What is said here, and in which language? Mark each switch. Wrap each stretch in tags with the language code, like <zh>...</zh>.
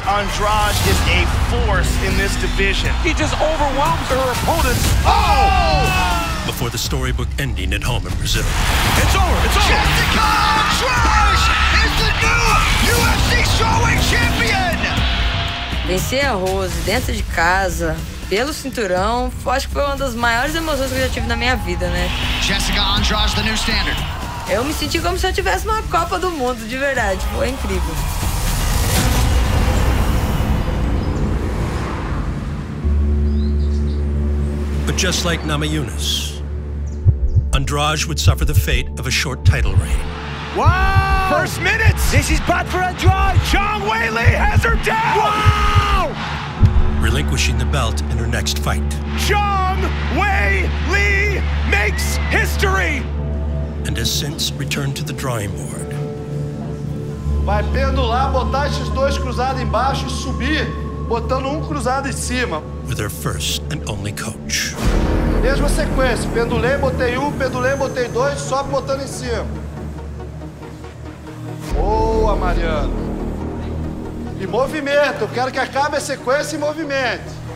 <en>Andrade is a force in this division. He just overwhelms her opponents. Oh! Before the storybook ending at home in Brazil. It's over, it's over. Jessica Andrade is the new UFC strawweight champion.</en> <pt>Vencer a Rose dentro de casa. Pelo cinturão, acho que foi uma das maiores emoções que eu já tive na minha vida, né?</pt> <en>Jessica Andrade, the new standard.</en> <pt>Eu me senti como se eu tivesse uma Copa do Mundo, de verdade. Foi incrível.</pt> <en>But just like Mama Yunus, Andrade would suffer the fate of a short title reign. Wow! First minutes! This is bad for Andrade! Zhang Weili has her down! Wow! Relinquishing the belt in her next fight. Zhang Weili makes history! And has since returned to the drawing board.</en> <pt>Vai pendular, botar esses dois cruzados embaixo e subir, botando cruzado em cima.</pt> <en>With her first and only coach.</en> <pt>Mesma sequência, pendulei, botei pendulei, botei dois, sobe botando em cima. Boa, Mariano. E movimento, eu quero que acabe a sequência em movimento.</pt>